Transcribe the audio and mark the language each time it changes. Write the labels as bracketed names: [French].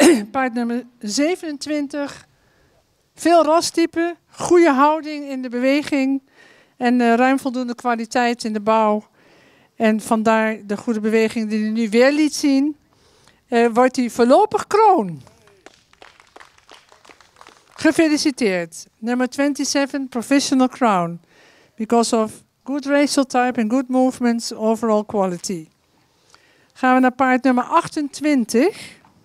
[Dutch] Paard nummer 27, veel rastype, goede houding in de beweging en ruim voldoende kwaliteit in de bouw. En vandaar de goede beweging die hij nu weer liet zien, wordt hij voorlopig kroon. Gefeliciteerd, nummer 27, [English] Professional Crown, because of good racial type and good movements, overall quality. [Dutch] Gaan we naar paard nummer 28...